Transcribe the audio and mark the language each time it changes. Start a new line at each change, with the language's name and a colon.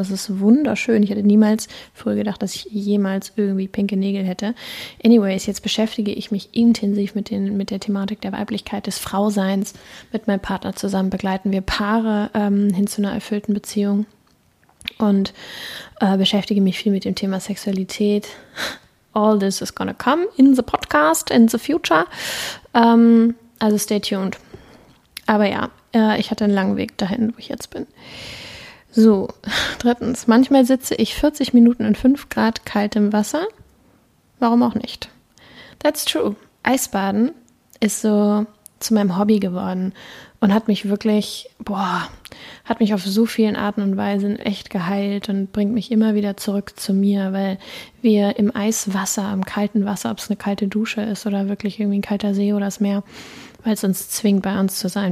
German: Das ist wunderschön. Ich hätte niemals früher gedacht, dass ich jemals irgendwie pinke Nägel hätte. Anyways, jetzt beschäftige ich mich intensiv mit der Thematik der Weiblichkeit, des Frauseins. Mit meinem Partner zusammen begleiten wir Paare hin zu einer erfüllten Beziehung. Und beschäftige mich viel mit dem Thema Sexualität.
English: All this is gonna come in the podcast, in the future. Also stay tuned.
German: Aber ja, ich hatte einen langen Weg dahin, wo ich jetzt bin. So, drittens. Manchmal sitze ich 40 Minuten in 5 Grad kaltem Wasser. Warum auch nicht?
English: That's true.
German: Eisbaden ist so zu meinem Hobby geworden und hat mich wirklich, hat mich auf so vielen Arten und Weisen echt geheilt und bringt mich immer wieder zurück zu mir, weil wir im Eiswasser, im kalten Wasser, ob es eine kalte Dusche ist oder wirklich irgendwie ein kalter See oder das Meer, weil es uns zwingt, bei uns zu sein.